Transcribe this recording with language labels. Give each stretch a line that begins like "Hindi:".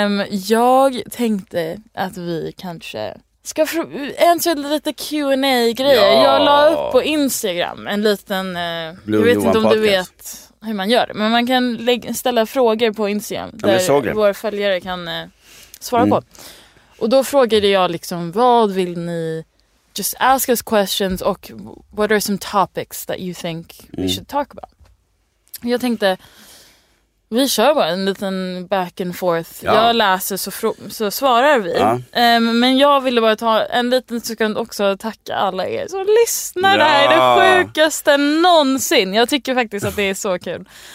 Swedish: Jag tänkte att vi kanske ska en lite Q&A-grejer. Ja. Jag la upp på Instagram en liten... jag vet inte om podcast. Du vet hur man gör det. Men man kan ställa frågor på Instagram. Ja, där våra följare kan svara på. Och då frågade jag liksom, vad vill ni...
English: Just ask us questions
Swedish: och
English: what are some topics that you think we should talk about?
Swedish: Jag tänkte, vi kör bara en liten
English: back and forth.
Swedish: Ja. Jag läser så svarar vi. Ja. Men jag ville bara ta en liten sekund också och tacka alla er som lyssnar. Ja. Det här är det sjukaste någonsin. Jag tycker faktiskt att det är så kul.